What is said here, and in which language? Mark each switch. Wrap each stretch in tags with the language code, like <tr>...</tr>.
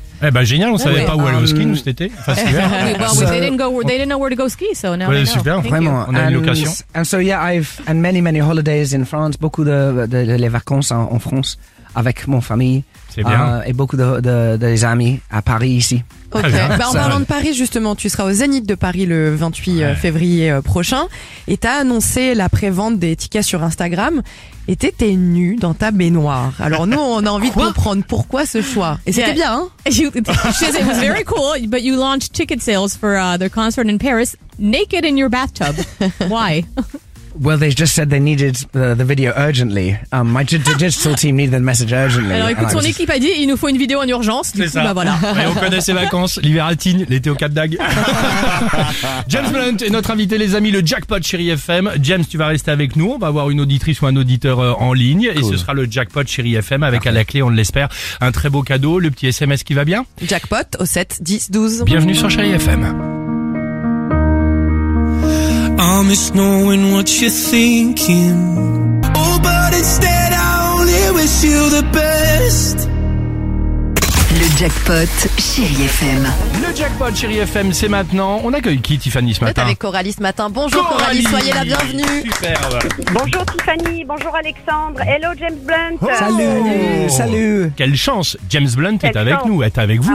<fr>Eh ben génial, on savait pas où aller au ski nous cet été. Enfin, c'est bien.</fr> <en>they didn't know where to go ski, so now they super, know.</en> <fr>Vraiment. On a une location.</fr> <en>And so yeah, I've had many holidays in France,</en> <fr>beaucoup de les vacances en France avec mon famille. C'est bien. Et beaucoup de amis à Paris ici. Ok, bah, en parlant de Paris justement, tu seras au Zénith de Paris le 28 ouais. février prochain et t'as annoncé la pré-vente des tickets sur Instagram et t'étais nue dans ta baignoire. Alors nous, on a envie de comprendre pourquoi ce choix. Et c'était bien, hein?</fr> <en>It was very cool, but you launched ticket sales for their concert in Paris naked in your bathtub. Why? Well, they just said they needed the video urgently. My digital team needed the message urgently.</en> <fr>Alors, écoute, son équipe a dit, il nous faut une vidéo en urgence. C'est du coup, ça. Bah voilà. Et on connaît ses vacances, l'hiver à Tignes, l'été au Cap d'Agde. James Blunt est notre invité, les amis, le jackpot Chérie FM. James, tu vas rester avec nous. On va avoir une auditrice ou un auditeur en ligne. Cool. Et ce sera le jackpot Chérie FM avec à la clé, on l'espère, un très beau cadeau. Le petit SMS qui va bien. Jackpot au 7, 10, 12. Bienvenue sur Chérie FM.</fr> <en>I miss knowing what you're thinking. Oh, but instead I only wish you the best.</en> <fr>Le jackpot Chérie FM. Le jackpot Chérie FM, c'est maintenant. On accueille qui, Tiffany, ce matin? Avec Coralie ce matin. Bonjour Coralie, soyez la bienvenue. Superbe. Bonjour Tiffany, bonjour Alexandre.</fr> <en>Hello James Blunt.</en> <fr>Oh, salut. Quelle chance, James Blunt est avec nous, est avec vous.</fr>